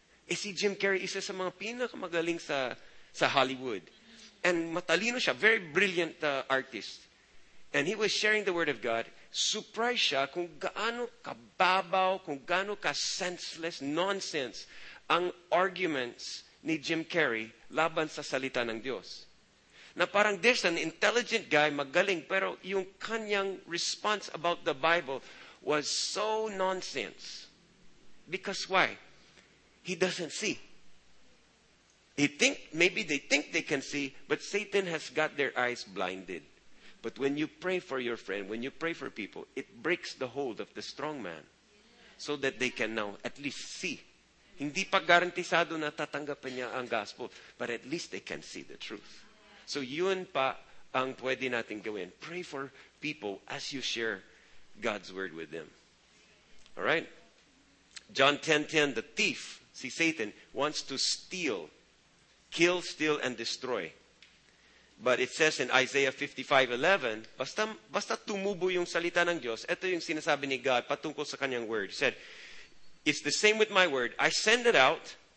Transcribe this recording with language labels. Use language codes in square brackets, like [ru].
[tl] Eh si Jim Carrey, isa sa mga pinakamagaling sa Hollywood. [en] And [tl] matalino siya, [en] very brilliant artist. And he was sharing the Word of God. [tl] Surprised siya kung gaano kababaw, kung gaano ka senseless, nonsense ang arguments ni Jim Carrey laban sa salita ng Diyos. Na parang [en] there's an intelligent guy, [tl] magaling, pero yung kanyang [en] response about the Bible was so nonsense. Because why? He doesn't see. Maybe they think they can see, but Satan has got their eyes blinded. But when you pray for your friend, when you pray for people, it breaks the hold of the strong man so that they can now at least see. [tl] Hindi pa garantisado na tatanggapin niya ang gospel, [en] but at least they can see the truth. [tl] So yun pa ang pwede natin gawin. [en] Pray for people as you share God's word with them. All right? John 10:10, the thief, si Satan, wants to kill, steal, and destroy. But it says in Isaiah 55:11, [tl] basta tumubo yung salita ng Diyos, ito yung sinasabi ni God patungkol sa kanyang word. [en] He said, it's the same with my word. I send it out.